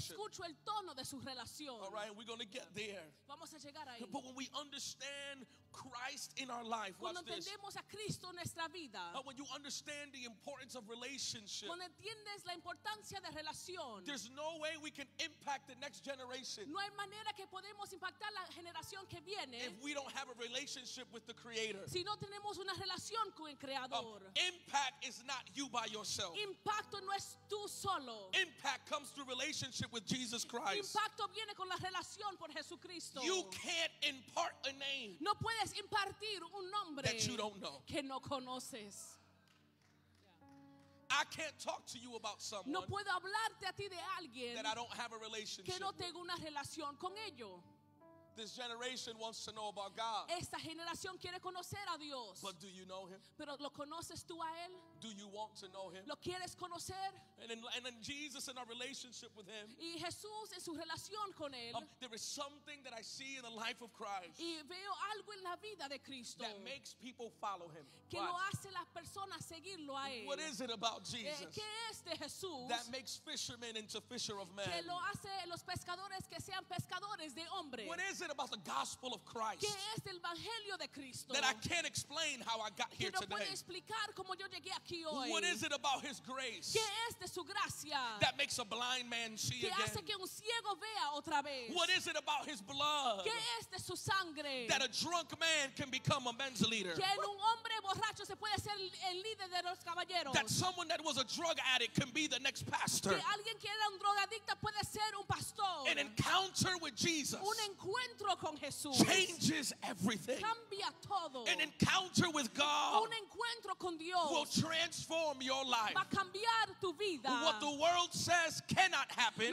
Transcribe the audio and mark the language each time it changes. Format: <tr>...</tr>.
<es>Escucho el tono de su relación.</es> <en>All right, we're going to get there.</en> <es>Vamos a llegar ahí.</es> <en>But when we understand Christ in our life,</en> <es>cuando entendemos a Cristo en nuestra vida,</es> <en>when you understand the importance of relationship,</en> <es>cuando entiendes la importancia de relación,</es> <en>there's no way we can impact the next generation.</en> <es>No hay manera que podemos impactar la generación que viene.</es> <en>If we don't have a relationship with the Creator.</en> <es>Si no tenemos una relación con el Creador.</es> <en>Impact is not you by yourself.</en> <es>Impacto no es tú solo.</es> <en>Impact comes through relationship with Jesus Christ.</en> <es>Impacto viene con la relación por Jesucristo.</es> <en>You can't impart a name.</en> <es>No puedes impartir un nombre</es> <en>that you don't know.</en> <es>Que no conoces.</es> <en>I can't talk to you about someone.</en> <es>No puedo hablarte a ti de alguien</es> <en>that I don't have a relationship.</en> <es>Que no tengo una relación con ello.</es> <en>This generation wants to know about God.</en> <es>Esta generación quiere conocer a Dios.</es> <en>But do you know him?</en> <es>Pero lo conoces tú a él?</es> <en>Do you want to know him?</en> <es>Lo quieres conocer?</es> <en>And in Jesus and our relationship with him.</en> <es>Y Jesús en su relación con él.</es> <en>There is something that I see in the life of Christ.</en> <es>Y veo algo en la vida de Cristo.</es> <en>That makes people follow him.</en> <es>Que lo hace las personas seguirlo a él.</es> <en>What is it about Jesus?</en> <es>¿Qué es de Jesús?</es> <en>That makes fishermen into fisher of men.</en> <es>Que lo hace los pescadores que sean pescadores de hombres.</es> <en>What is it about the gospel of Christ?</en> <es>¿Qué es el evangelio de Cristo?</es> <en>That I can't explain how I got here today.</en> <es>Que no puedo explicar cómo yo llegué aquí hoy.</es> <en>What is it about his grace?</en> <es>¿Qué es de su gracia?</es> <en>That makes a blind man see again.</en> <es>¿Qué hace que un ciego vea otra vez?</es> <en>What is it about his blood?</en> <es>¿Qué es de su sangre?</es> <en>That a drunk man can become a men's leader.</en> <es>Que un hombre borracho se puede ser el líder de los caballeros.</es> <en>That someone that was a drug addict can be the next pastor.</en> <es>Que alguien que era un drogadicto puede ser un pastor.</es> <en>An encounter with Jesus.</en> <es>Un encuentro con Jesús.</es> <en>Changes everything.</en> <es>Cambia todo.</es> <en>An encounter with God.</en> <es>Un encuentro con Dios.</es> <en>Will transform your life.</en> <es>Va a cambiar tu vida.</es> <en>What the world says cannot happen.</en>